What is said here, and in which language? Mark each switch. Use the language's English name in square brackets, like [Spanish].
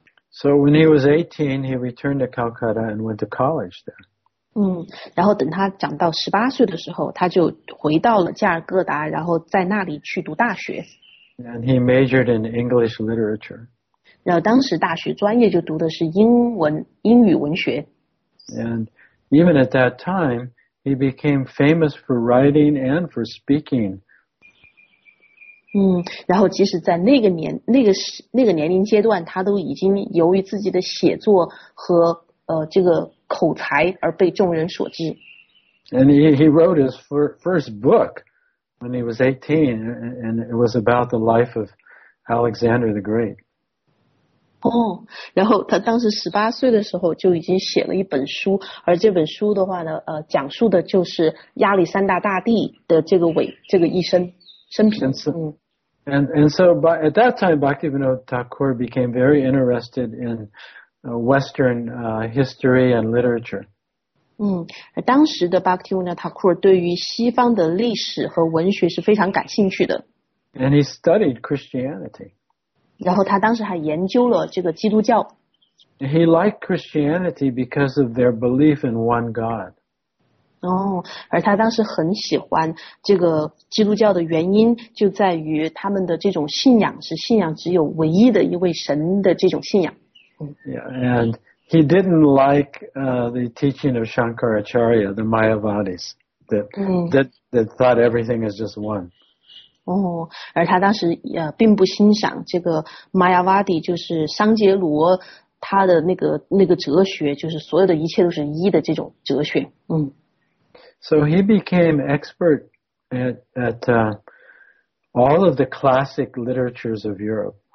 [English] So when he was 18, he returned to Calcutta and went to college there. [Chinese] 然后等他长到18岁的时候，他就回到了加尔各答，然后在那里去读大学。 [English] And he majored in English literature. [Chinese] 然后当时大学专业就读的是英语文学。 [English] And even at that time, he became famous for writing and for speaking. [Chinese] 然后即使在那个年龄阶段，他都已经由于自己的写作和这个口才而被众人所知。 [English] And he wrote his first book when he was 18, and it was about the life of Alexander the Great. [Chinese] 然后他当时18岁的时候就已经写了一本书，而这本书的话呢，讲述的就是亚历山大大帝的这个一生生平。 [English] And so at that time, Bhaktivinoda Thakur became very interested in Western history and literature. [Chinese] 当时的 Bhaktivinoda Thakur 对于西方的历史和文学是非常感兴趣的。 [English] And he studied Christianity. [Chinese] 然后他当时还研究了这个基督教。 [English] He liked Christianity because of their belief in one God. [Chinese] 而他当时很喜欢这个基督教的原因就在于他们的这种信仰是信仰只有唯一的一位神的这种信仰。 [English] Yeah, and he didn't like the teaching of Shankaracharya, the Mayavadis, that thought everything is just one. [Chinese] 而他当时并不欣赏这个 Mayavadi 就是桑杰罗他的那个哲学，就是所有的一切都是一的这种哲学。 [English] So he became expert all of the classic literatures of Europe.